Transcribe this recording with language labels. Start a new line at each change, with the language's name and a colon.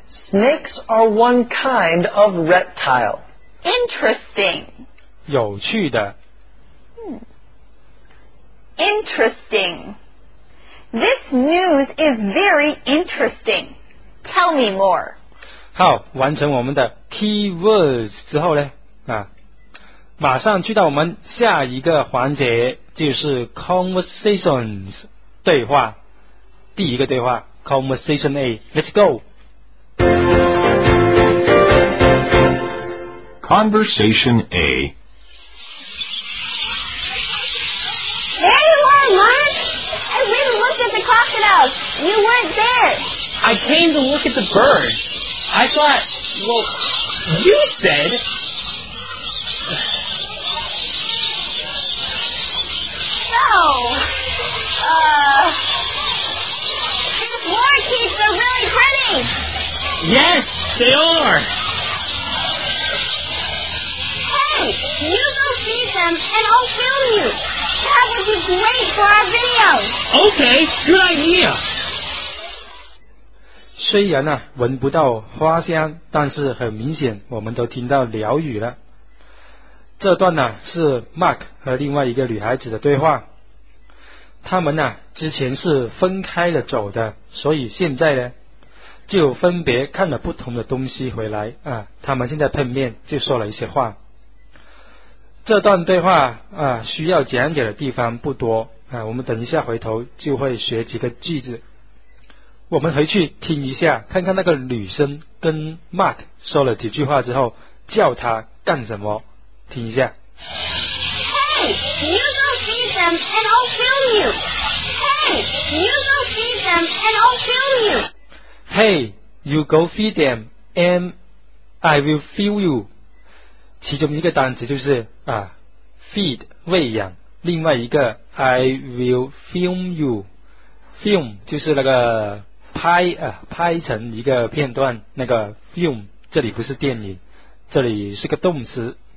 English: Snakes are one kind of reptile. Interesting.
Chinese: 有趣的。
English: Interesting. This news is very interesting. Tell me more.
Chinese: 好，完成我们的 keywords 之后呢马上去到我们下一个环节，就是 conversations 对话。第一个对话
English: conversation A， let's go。 conversation A。 There you are, Mark. I went and looked at the crocodiles. You weren't there. I came to look at the birds. I thought, well, you said... These warakeets are really pretty! Yes, they are! Hey, you go feed them and I'll film you! That would be great for our video! Okay, good idea!
Chinese: 虽然闻不到花香，但是很明显我们都听到鸟语了。这段是 Mark 和另外一个女孩子的对话。他们之前是分开了走的，所以现在呢就分别看了不同的东西回来他们现在碰面就说了一些话。这段对话需要讲解的地方不多我们等一下回头就会学几个句子。我们回去听一下，看看那个女生跟 Mark 说了几句话之后叫她干什么。听一下。
English: Hey, you go feed them and I'll film you. Hey, you go feed them and I'll film you. Hey, you go feed them and I will film you.
Chinese: 其中一个单词就是feed 喂养，另外一个
English: I will film you。
Chinese: Film 就是那个拍成一个片段，那个 film 这里不是电影，这里是个动词。